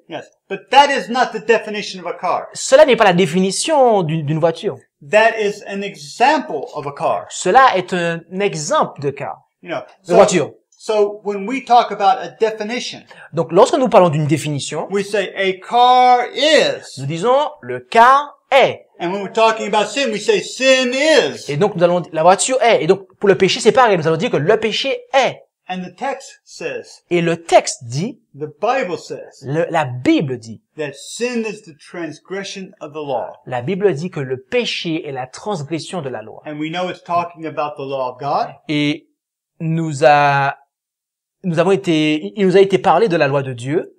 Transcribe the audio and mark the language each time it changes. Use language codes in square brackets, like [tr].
[en] Yes, but that is not the definition of a car. [fr] Cela n'est pas la définition d'une voiture. [en] That is an example of a car. [fr] Cela est un exemple de car. [en] You know, [fr] de voiture. [en] So when we talk about a definition. [fr] Donc lorsque nous parlons d'une définition. [en] We say a car is. [fr] Nous disons le car est. [en] And when we're talking about sin, we say sin is. [fr] Et donc nous allons dire, la voiture est. Et donc pour le péché c'est pareil, nous allons dire que le péché est. [en] And the text says. [fr] Et le texte dit. [en] The Bible says. [fr] La Bible dit. [en] That sin is the transgression of the law. [fr] La Bible dit que le péché est la transgression de la loi. [en] And we know it's talking about the law of God. [fr] Et il nous a été parlé de la loi de Dieu.